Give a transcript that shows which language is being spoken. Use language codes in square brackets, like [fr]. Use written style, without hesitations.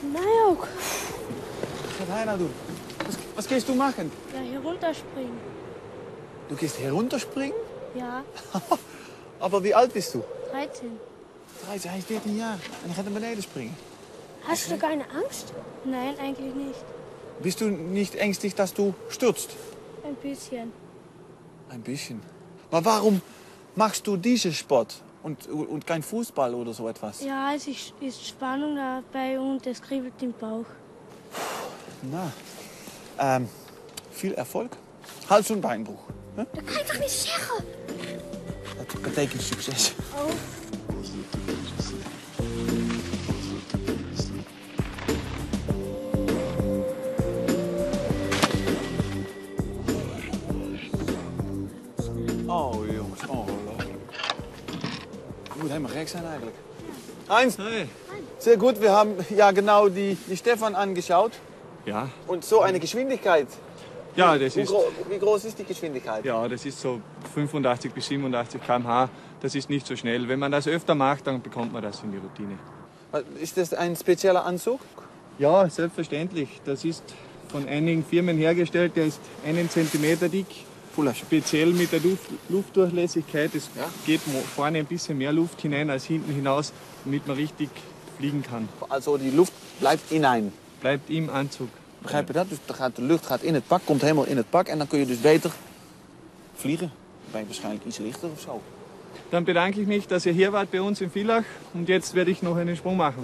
[nl] Mij ook. Wat gaat hij nou doen? Wat kun je toen maken? [de] Ja, herunterspringen. Du kunst herunterspringen? Ja. [nl] Maar wie oud [de] bist du? 13. [nl] Hij is 13 jaar en hij gaat naar beneden springen. [de] Hast du keine Angst? Nein, eigentlich nicht. Bist du nicht ängstlich, dass du stürzt? Ein bisschen. Ein bisschen. Maar warum machst du diesen Sport und kein Fußball oder so etwas? Ja, es ist Spannung dabei und es kribbelt im Bauch. Na. Viel Erfolg. Hals- und Beinbruch. [nl] Huh? Dat kan je toch niet zeggen? Dat betekent succes. Oh. Oh jongens, ongelooflijk. Je moet helemaal gek zijn eigenlijk. [de] Heinz, hey. Sehr gut, [nl] we hebben [de] ja genau die Stefan angeschaut. Ja. [nl] En zo een Geschwindigkeit. [de] Ja, das ist. Wie groß ist die Geschwindigkeit? Ja, das ist so 85 bis 87 km/h. Das ist nicht so schnell. Wenn man das öfter macht, dann bekommt man das in die Routine. Ist das ein spezieller Anzug? Ja, selbstverständlich. Das ist von einigen Firmen hergestellt. Der ist einen Zentimeter dick. Speziell mit der Luftdurchlässigkeit. Es ja? geht vorne ein bisschen mehr Luft hinein als hinten hinaus, damit man richtig fliegen kann. Also die Luft bleibt hinein? Bleibt im Anzug. [nl] Begrijp je dat? Dus de lucht gaat in het pak, komt helemaal in het pak en dan kun je dus beter vliegen. Dan ben je waarschijnlijk iets lichter of zo. Dan bedank ik me dat je hier wart bij ons in Villach. En [de] jetzt werde [nl] ik nog een sprong maken.